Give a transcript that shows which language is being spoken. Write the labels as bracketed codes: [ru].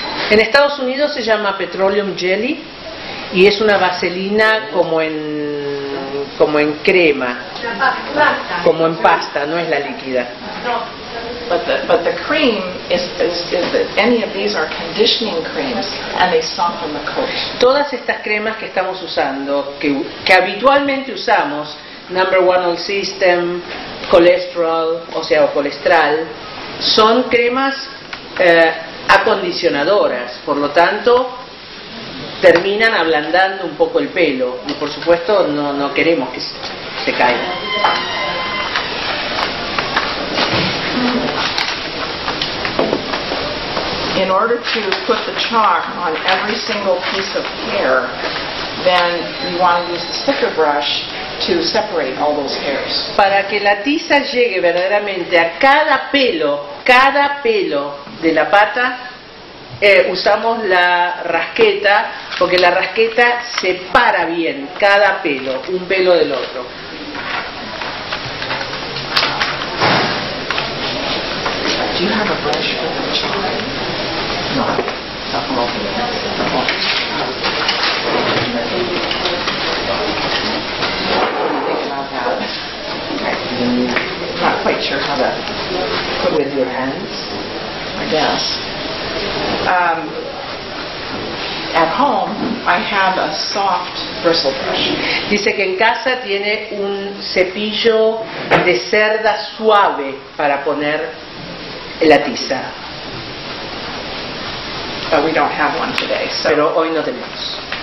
[es] En Estados Unidos se llama petroleum jelly y es una vaselina como en crema, como en pasta, no es la líquida. [en] But the cream is that any of these are conditioning creams and they soften the coat. [es] Todas estas cremas que estamos usando, que habitualmente usamos, Number One on System, colesterol, o sea, o colesterol, son cremas acondicionadoras, por lo tanto terminan ablandando un poco el pelo y, por supuesto, no queremos que se caiga. [en] In order to put the chalk on every single piece of hair, then you want to use the sticker brush to separate all those hairs. [es] Para que la tiza llegue verdaderamente a cada pelo de la pata, usamos la rasqueta porque la rasqueta separa bien cada pelo, un pelo del otro. [en] Not quite sure how to put with your hands, I guess. At home, I have a soft bristle brush. [es] Dice que en casa tiene un cepillo de cerda suave para poner la tiza. [en] But we don't have one today, so. [es] Pero hoy no tenemos.